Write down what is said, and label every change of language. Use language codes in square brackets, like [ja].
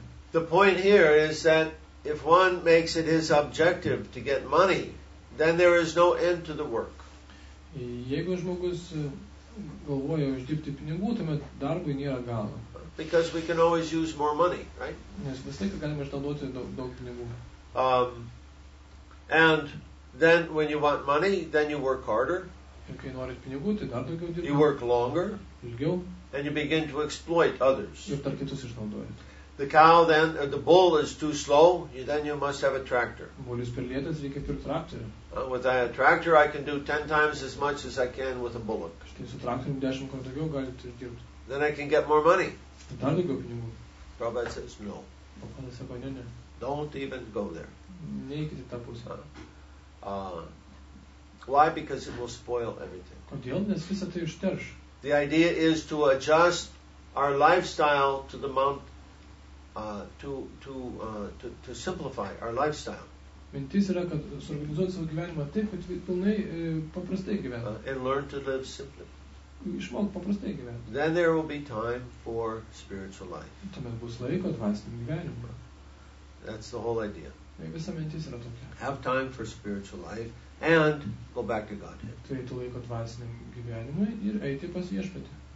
[en] The point here is that if one makes it his objective to get money, then there is no end to the work. [lt] Jeigu žmogus galvoja uždirbti pinigų, tuomet darbui nėra galo. [en] Because we can always use more money, right? [lt] Nes visą laiką galime išnaudoti daug pinigų. [en] And then when you want money, then you work harder. [lt] Ir kai norit pinigų, tai dar daugiau dirbti. [en] You work longer. [lt] Ilgiau. [en] And you begin to exploit others. [lt] Ir dar kitus išnaudojat. [en] The cow then, or the bull is too slow, then you must have a tractor. [lt] Bulis per lėtas, reikia pirkti traktorių. [en] With a tractor I can do 10 times as much as I can with a bullock. [lt] Štai su traktoriumi 10 kartų daugiau galite dirbti. [en] Then I can get more money. [lt] Dar daugiau pinigų. [en] Prabhupada says no. [lt] Prabhupada sako ne, ne. [en] Don't even go there. [lt] Neikite tą pusę. [en] Why? Because it will spoil everything. [lt] Kodėl? Nes visa tai išterš. [en] The idea is to adjust our lifestyle to the mount. To simplify our lifestyle. [lt] Mintis yra, kad suorganizuoti savo gyvenimą taip, kad pilnai paprastai gyventi. [en] And learn to live simply. [lt] Išmok paprastai gyventi. [en] Then there will be time for spiritual life. [lt] Tuomet bus laiko dvasiniam gyvenimui. [en] That's the whole idea. [lt] Visa mintis yra tokia. [en] Have time for spiritual life and go back to Godhead. [lt] Turėti laiko dvasiniam gyvenimui ir eiti pas Viešpatį.